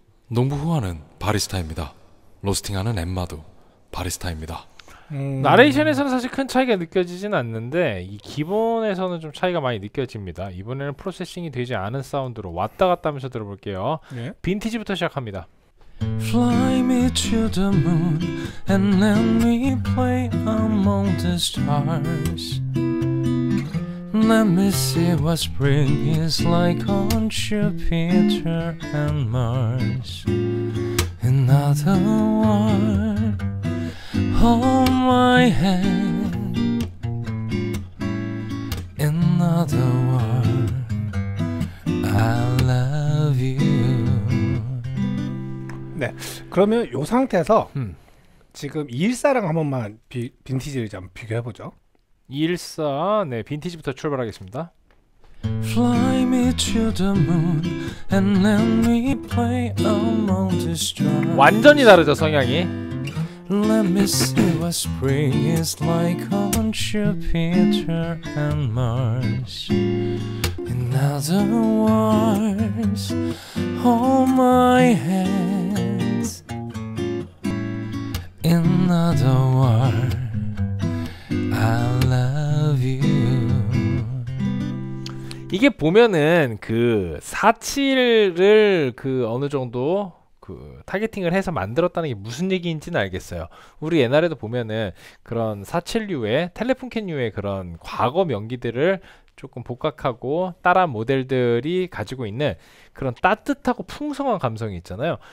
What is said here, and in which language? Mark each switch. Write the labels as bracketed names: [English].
[Korean] 농부 후원은 바리스타입니다. 로스팅하는 엠마도 바리스타입니다. 나레이션에서는 사실 큰 차이가 느껴지진 않는데 이 기본에서는 좀 차이가 많이 느껴집니다. 이번에는 프로세싱이 되지 않은 사운드로 왔다 갔다 하면서 들어볼게요. 네. 빈티지부터 시작합니다. [English] Fly me to the moon and let me play among the stars. Let me see what spring is like on Jupiter and Mars. In other words, hold my hand. In other words, I love you. [Korean] 네. 그러면 요 상태에서 지금 214랑 한 번만 빈티지를 좀 비교해 보죠. 214. 네. 빈티지부터 출발하겠습니다. [English] Fly me to the moon and let me play among the stars. [Korean] 완전히 다르죠, 성향이. [English] Let me see what spring is like on Jupiter and Mars. In other words, hold my hand. In other words, I love you. [Korean] 이게 보면은 그 47을 그 어느 정도 그 타겟팅을 해서 만들었다는 게 무슨 얘기인지는 알겠어요. 우리 옛날에도 보면은 그런 47류의 텔레폰 캔류의 그런 과거 명기들을 조금 복각하고 따라 모델들이 가지고 있는 그런 따뜻하고 풍성한 감성이 있잖아요.